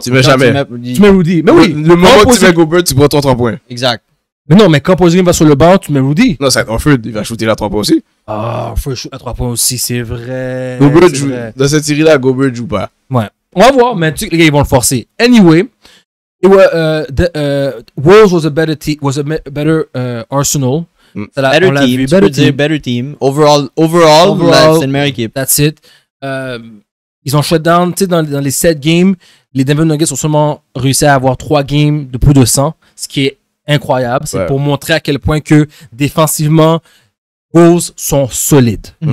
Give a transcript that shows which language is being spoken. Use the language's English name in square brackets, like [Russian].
[French] tu mets Rudy. Mais oui, le moment où tu mets Gobert, tu prends ton 3 points. Exact. Mais non, mais quand Porzingis va sur le banc, tu mets Rudy. Non, c'est Horford, il va shooter à 3 points aussi. Ah, Horford shoot à 3 points aussi, c'est vrai. Gobert joue. Dans cette série-là, Gobert joue pas. Ouais. On va voir, mais tu sais, les gars, ils vont le forcer. [English] Anyway. Wolves was a better arsenal. Better team. Overall, [French] c'est une meilleure équipe. [English] That's it. [French] Ils ont [English] shut down. [French] Tu sais, dans les 7 games, les Denver Nuggets ont seulement réussi à avoir 3 games de plus de 100, ce qui est incroyable. C'est pour montrer à quel point que défensivement, Wolves sont solides.